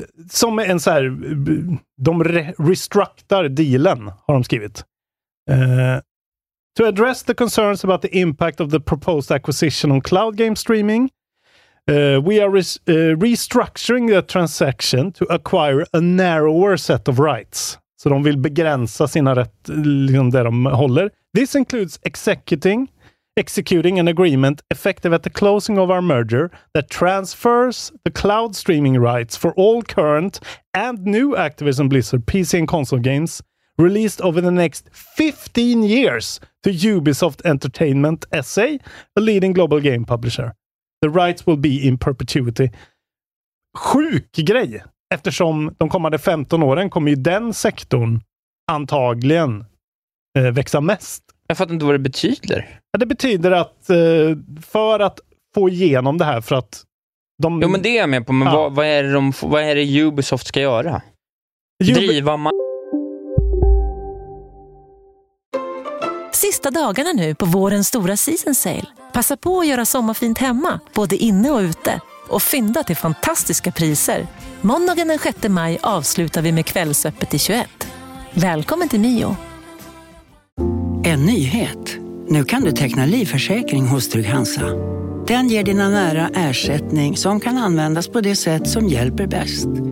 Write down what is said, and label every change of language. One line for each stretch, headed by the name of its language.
Swedish: Som är en så här, de restructar dealen, har de skrivit.
English: To address the concerns about the impact of the proposed acquisition on cloud game streaming, we are restructuring the transaction to acquire a narrower set of rights.
Swedish: Så de vill begränsa sina rätt, liksom det de håller.
English: This includes executing an agreement effective at the closing of our merger that transfers the cloud streaming rights for all current and new Activision Blizzard PC and console games released over the next 15 years to Ubisoft Entertainment SA, a leading global game publisher. The rights will be in perpetuity.
Swedish: Sjuk grej! Eftersom de kommande 15 åren kommer ju den sektorn antagligen växa mest. Jag fattar inte vad det betyder. Ja, det betyder att för att få igenom det här, för att de... Jo, men det är jag med på. Men ja. Vad är det Ubisoft ska göra? Driva man... Sista dagarna nu på vårens stora season sale. Passa på att göra sommarfint hemma, både inne och ute. Och fynda till fantastiska priser. Måndagen den 6 maj avslutar vi med kvällsöppet i 21. Välkommen till Mio. En nyhet. Nu kan du teckna livförsäkring hos Trygg-Hansa. Den ger dina nära ersättning som kan användas på det sätt som hjälper bäst.